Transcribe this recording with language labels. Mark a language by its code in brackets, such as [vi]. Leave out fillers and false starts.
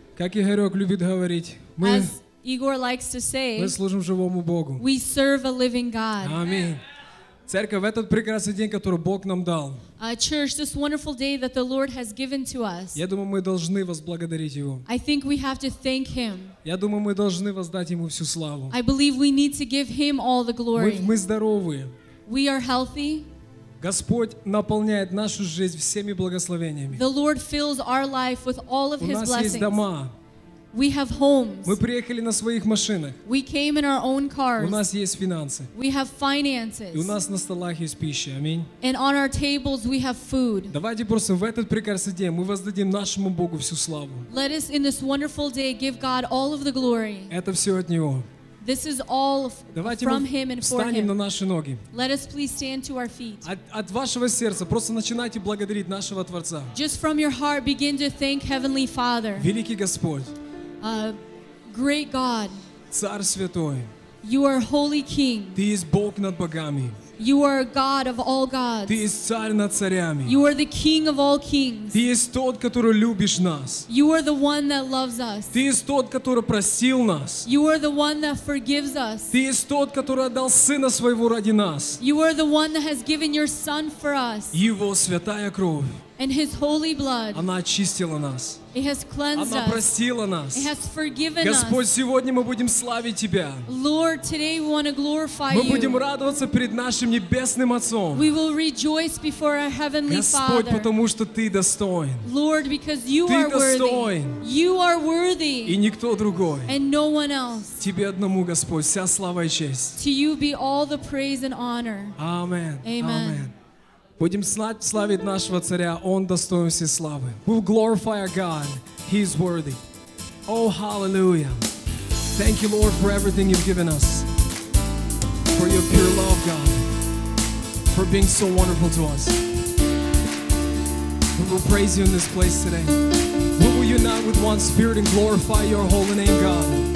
[ru] Как Игорек любит говорить, мы, [en] as Igor likes to say, [ru] мы служим живому Богу. [en] We serve a living God. [ru] Аминь. Церковь, этот прекрасный день, который Бог нам дал. [en] Church, this wonderful day that the Lord has given to us. [ru] Я думаю, мы должны возблагодарить Его. [en] I think we have to thank Him. [ru] Я думаю, мы должны воздать Ему всю славу. [en] I believe we need to give Him all the glory. [ru] Мы здоровы. [en] We are healthy. [ru] Господь наполняет нашу жизнь всеми благословениями. [en] The Lord fills our life with all of His blessings. [ru] У нас есть дома. [en] We have homes. [ru] Мы приехали на своих машинах. [en] We came in our own cars. [ru] У нас есть финансы. [en] We have finances. [ru] И у нас на столах есть пища. Аминь. [en] And on our tables we have food. [ru] Давайте просто в этот прекрасный день мы воздадим нашему Богу всю славу. [en] Let us in this wonderful day give God all of the glory. [ru] Это все от Него. [en] This is all from Him and for Him. [ru] На наши ноги. [en] Let us please stand to our feet. [ru] От вашего сердца просто начинайте благодарить нашего Творца. [en] Just from your heart, begin to thank Heavenly Father. [ru] Великий Господь. [en] Great God. [ru] Царь Святой. [en] You are Holy King. [ru] Ты есть Бог над богами. [en] You are God of all gods. [ru] Ты есть царь над царями. [en] You are the King of all kings. [ru] Ты есть тот, который любишь нас. [en] You are the one that loves us. [ru] Ты есть тот, который простил нас. [en] You are the one that forgives us. [ru] Ты есть тот, который отдал сына своего ради нас. [en] You are the one that has given your son for us. [ru] Его святая кровь. [en] And His holy blood. [ru] Она очистила нас. [en] It has cleansed us. [ru] Она простила нас. [en] It has forgiven us. [ru] Господь, сегодня мы будем славить Тебя. [en] Lord, today we want to glorify You. [ru] Мы будем радоваться перед нашим небесным Отцом. [en] We will rejoice before our heavenly Father. [ru] Господь, потому что Ты достоин. [en] Lord, because You are worthy. [ru] Ты достоин. [en] You are worthy. [ru] И никто другой. [en] And no one else. [ru] Тебе одному, Господь, вся слава и честь. [en] To You be all the praise and honor. Amen. Amen. [ru] Будем славить нашего царя, он достоин всей славы. [en] We'll glorify our God, He is worthy. Oh, hallelujah. Thank you, Lord, for everything you've given us. For your pure love, God. For being so wonderful to us. We will praise you in this place today. We will unite with one spirit and glorify your holy name, God.